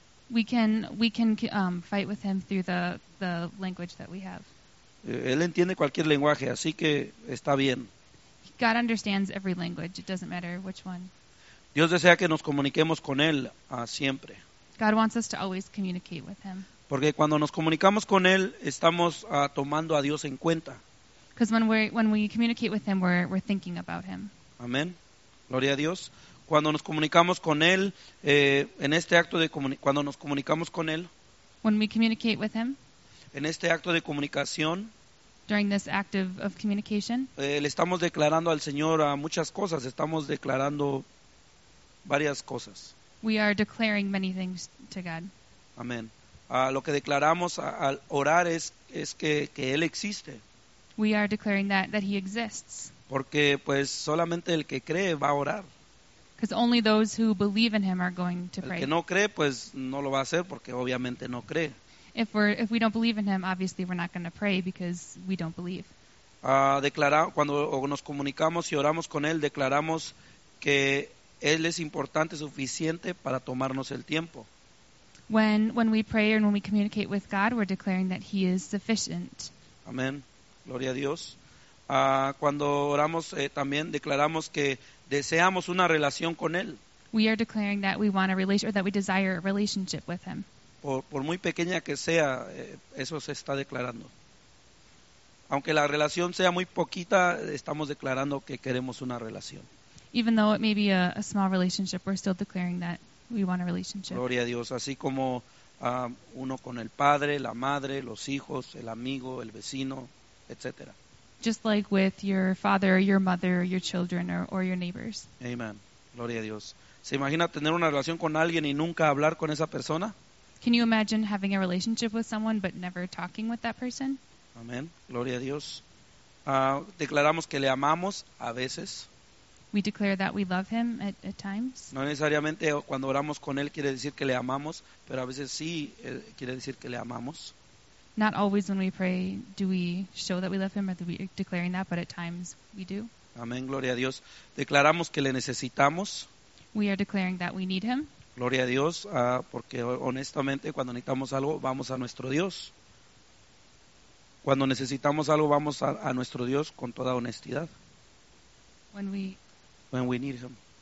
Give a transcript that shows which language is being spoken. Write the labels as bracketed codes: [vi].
[en] We can fight with him through the language that we have. [es] Él entiende cualquier lenguaje, así que está bien. [en] God understands every language. It doesn't matter which one. [es] Dios desea que nos comuniquemos con él siempre. [en] God wants us to always communicate with him. [es] Porque cuando nos comunicamos con él, estamos tomando a Dios en cuenta. [en] Because when we communicate with him, we're thinking about him. [es] Amén. Gloria a Dios. Cuando nos comunicamos con él, en este acto de cuando nos comunicamos con él, [en] when we communicate with him, [es] en este acto de comunicación, [en] during this act of communication, [es] le estamos declarando al Señor muchas cosas. Estamos declarando varias cosas. [en] We are declaring many things to God. [es] Amén. Lo que declaramos al orar es que él existe. [en] We are declaring that he exists. [es] Porque pues solamente el que cree va a orar. [en] Because only those who believe in him are going to pray. [es] El que no cree pues no lo va a hacer porque obviamente no cree. [en] If we don't believe in him, obviously we're not going to pray because we don't believe. [es] Cuando nos comunicamos y oramos con él, declaramos que él es importante suficiente para tomarnos el tiempo. [en] When we pray and when we communicate with God, we're declaring that he is sufficient. [es] Amén. Gloria a Dios. Cuando oramos también declaramos que deseamos una relación con él. [en] We are declaring that we want a relationship or that we desire a relationship with him. [es] Por muy pequeña que sea, eso se está declarando. Aunque la relación sea muy poquita, estamos declarando que queremos una relación. [en] Even though it may be a small relationship, we're still declaring that we want a relationship. [es] Gloria a Dios, así como uno con el padre, la madre, los hijos, el amigo, el vecino, etcétera. [en] Just like with your father, your mother, your children, or your neighbors. [es] Amen. Gloria a Dios. ¿Se imagina tener una relación con alguien y nunca hablar con esa persona? [en] Can you imagine having a relationship with someone but never talking with that person? [es] Amen. Gloria a Dios. Declaramos que le amamos a veces. [en] We declare that we love him at times. [es] No necesariamente cuando oramos con él quiere decir que le amamos, pero a veces sí quiere decir que le amamos. [en] Not always when we pray do we show that we love him or that we are declaring that, but at times we do. [es] Amén, gloria a Dios. Declaramos que le necesitamos. [en] We are declaring that we need him. [es] Gloria a Dios, porque honestamente cuando necesitamos algo vamos a nuestro Dios. Cuando necesitamos algo vamos a nuestro Dios con toda honestidad. [en] When we need him.